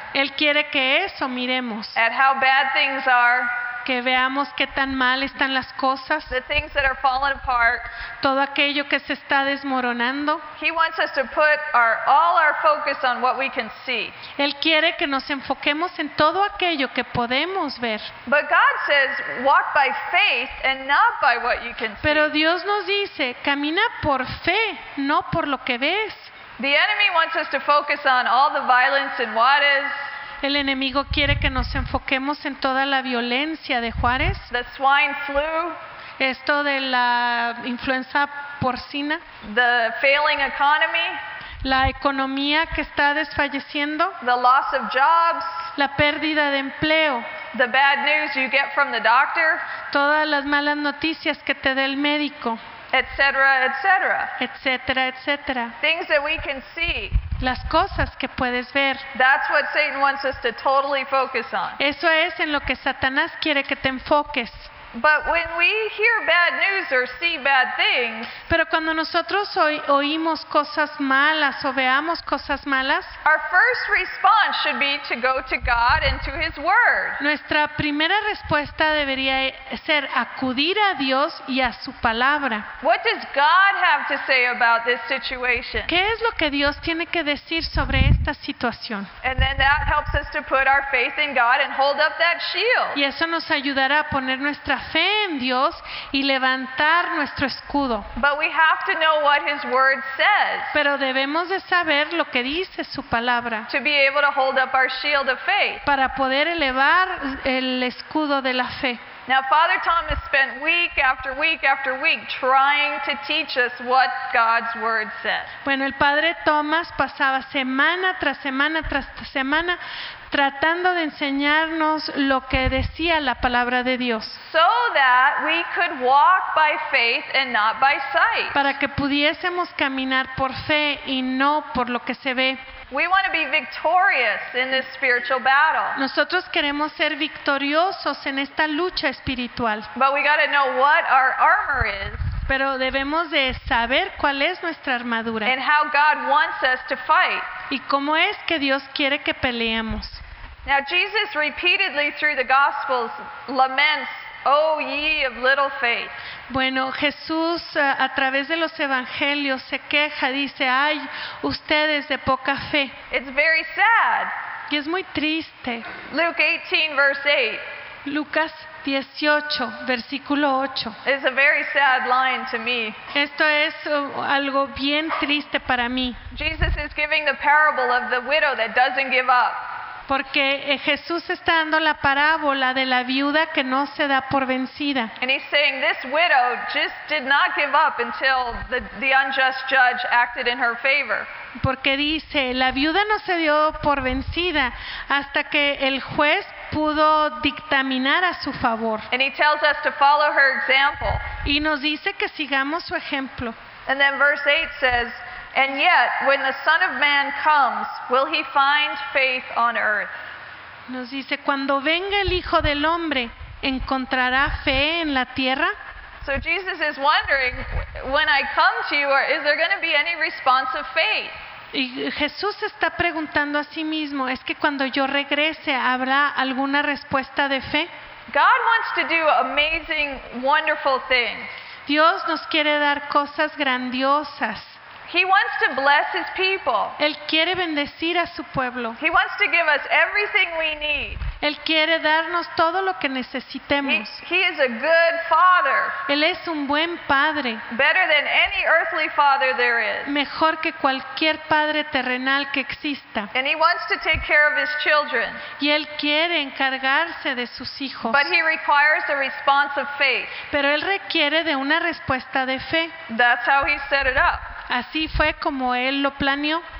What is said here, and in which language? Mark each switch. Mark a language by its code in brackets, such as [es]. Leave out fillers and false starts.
[es] Él quiere que eso miremos. [en] At how bad things are. [es] Que veamos qué tan mal están las cosas. [en] The things that are falling apart. [es] Todo aquello que se está desmoronando. [en] He wants us to put all our focus on what we can see. [es] Él quiere que nos enfoquemos en todo aquello que podemos ver. [en] But God says, walk by faith and not by what you can see. [es] Pero Dios nos dice, camina por fe, no por lo que ves. [en] The enemy wants us to focus on all the violence and what is. [es] El enemigo quiere que nos enfoquemos en toda la violencia de Juárez. [en] The swine flu. [es] Esto de la influenza porcina. [en] The failing economy. [es] La economía que está desfalleciendo. [en] The loss of jobs. [es] La pérdida de empleo. [en] The bad news you get from the doctor. [es] Todas las malas noticias que te dé el médico. [en] Etc., etc. [es] Etc., etc. [en] Things that we can see. [es] Las cosas que puedes ver. [en] That's what Satan wants us to totally focus on. [es] Eso es en lo que Satanás quiere que te enfoques. [en] But when we hear bad news or see bad things, [es] pero cuando nosotros oímos cosas malas o veamos cosas malas, [en] our first response should be to go to God and to His Word. [es] Nuestra primera respuesta debería ser acudir a Dios y a su palabra. [en] What does God have to say about this situation? [es] ¿Qué es lo que Dios tiene que decir sobre esta situación? [en] And then that helps us to put our faith in God and hold up that shield. [es] Y eso nos ayudará a poner nuestra fe en Dios y levantar nuestro escudo. [en] But we have to know what His Word says. [es] Pero debemos de saber lo que dice su palabra. [en] To be able to hold up our shield of faith. [es] Para poder elevar el escudo de la fe. [en] Now, Father Thomas spent week after week after week trying to teach us what God's Word says. [es] Bueno, el Padre Thomas pasaba semana tras semana tras semana tratando de enseñarnos lo que decía la palabra de Dios. [en] So that we could walk by faith and not by sight. [es] Para que pudiésemos caminar por fe y no por lo que se ve. [en] We want to be victorious in this spiritual battle. [es] Nosotros queremos ser victoriosos en esta lucha espiritual. [en] But we got to know what our armor is. [es] Pero debemos de saber cuál es nuestra armadura. [en] And how God wants us to fight. [es] Y cómo es que Dios quiere que peleemos. [en] Now Jesus repeatedly through the Gospels laments, "Oh ye of little faith." [es] Bueno, Jesús a través de los evangelios se queja, dice, "Ay, ustedes de poca fe." [en] It's very sad. [es] Y es muy triste. [en] Luke 18 verse 8. [es] Lucas 18 versículo 8. [en] It's a very sad line to me. [es] Esto es algo bien triste para mí. [en] Jesus is giving the parable of the widow that doesn't give up. [es] Porque Jesús está dando la parábola de la viuda que no se da por vencida. [en] And he's saying this widow just did not give up until the unjust judge acted in her favor. [es] Porque dice, la viuda no se dio por vencida hasta que el juez pudo dictaminar a su favor. [en] And he tells us to follow her example. [es] Y nos dice que sigamos su ejemplo. [en] And then verse 8 says, "And yet, when the Son of Man comes, will he find faith on earth?" [es] Nos dice, cuando venga el Hijo del Hombre, ¿encontrará fe en la tierra? [en] So Jesus is wondering, when I come to you, is there going to be any response of faith? [es] Y Jesús está preguntando a sí mismo, ¿es que cuando yo regrese, habrá alguna respuesta de fe? [en] God wants to do amazing, wonderful things. [es] Dios nos quiere dar cosas grandiosas. [en] He wants to bless his people. [es] Él quiere bendecir a su pueblo. [en] He wants to give us everything we need. [es] Él quiere darnos todo lo que necesitemos. [en] He is a good father. [es] Él es un buen padre. [en] Better than any earthly father there is. [es] Mejor que cualquier padre terrenal que exista. [en] And he wants to take care of his children. [es] Y él quiere encargarse de sus hijos. [en] But he requires a response of faith. [es] Pero él requiere de una respuesta de fe. [en] That's how he set it up. [es] Así fue como él lo planeó.